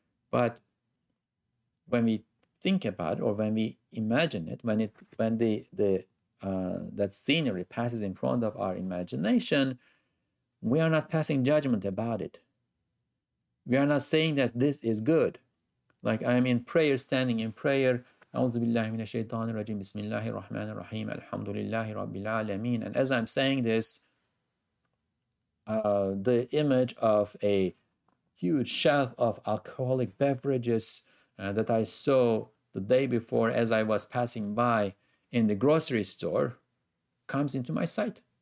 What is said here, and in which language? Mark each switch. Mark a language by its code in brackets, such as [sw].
[en] But when we think about it, or when we imagine it, when that scenery passes in front of our imagination, we are not passing judgment about it. We are not saying that this is good. Like I am in prayer, standing in prayer. [ar] أعوذ بالله من الشيطان الرجيم بسم الله الرحمن الرحيم الحمد لله رب العالمين. [en] And as I'm saying this, the image of a huge shelf of alcoholic beverages that I saw the day before as I was passing by in the grocery store comes into my sight.